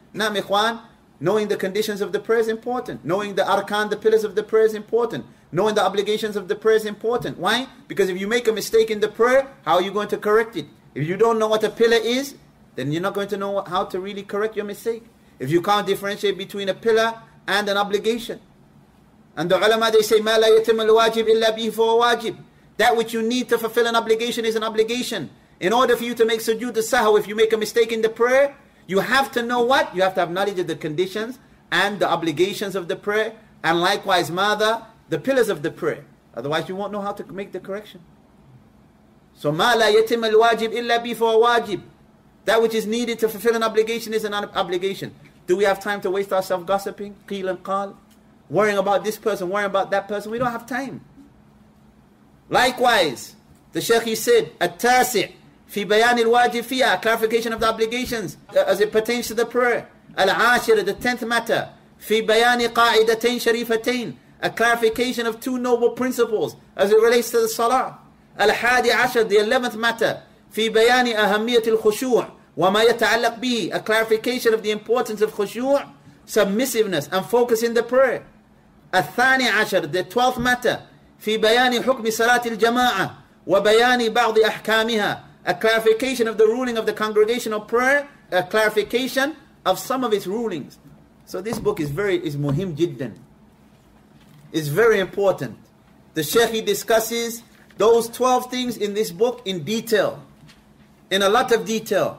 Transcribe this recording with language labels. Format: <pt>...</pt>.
<en>Naam ikhwan, knowing the conditions of the prayer is important. Knowing the arkan, the pillars of the prayer is important. Knowing the obligations of the prayer is important. Why? Because if you make a mistake in the prayer, how are you going to correct it? If you don't know what a pillar is, then you're not going to know how to really correct your mistake. If you can't differentiate between a pillar and an obligation. And the ulama, they say,</en> <ar>مَا لَا يَتِمُ الْوَاجِبِ إِلَّا بِهِ فَوَاجِبِ.</ar> <en>That which you need to fulfill an obligation is an obligation. In order for you to make sujood as-sahw, if you make a mistake in the prayer, you have to know what? You have to have knowledge of the conditions and the obligations of the prayer. And likewise,</en> <ar>ماذا?</ar> <en>The pillars of the prayer. Otherwise, you won't know how to make the correction.</en> <ar>So, مَا لَا يَتِمُ الْوَاجِبِ إِلَّا بِهِ فَوَاجِبِ.</ar> <en>That which is needed to fulfill an obligation is an obligation. Do we have time to waste ourselves gossiping? Qeel and qal? Worrying about this person, worrying about that person? We don't have time. Likewise, the Shaykh, he said,</en> <ar>التاسع في بيان الواجب فيها,</ar> <en>clarification of the obligations as it pertains to the prayer.</en> <ar>العاشر,</ar> <en>the tenth matter,</en> <ar>في بيان قاعدتين شريفتين,</ar> <en>a clarification of two noble principles as it relates to the salah.</en> <ar>الحادي عشر,</ar> <en>the 11th matter,</en> <ar>في بيان أهمية الخشوع وما يتعلق به,</ar> <en>a clarification of the importance of خشوع, submissiveness and focus in the prayer.</en> <ar>الثاني عشر,</ar> <en>the 12th matter,</en> <ar>في بيان حكم صلاة الجماعة وبيان بعض أحكامها,</ar> <en>a clarification of the ruling of the congregational prayer, a clarification of some of its rulings. So this book is</en> <ar>muhim jiddan.</ar> <en>It's very important. The Sheikh, he discusses those 12 things in this book in detail, in a lot of detail.</en>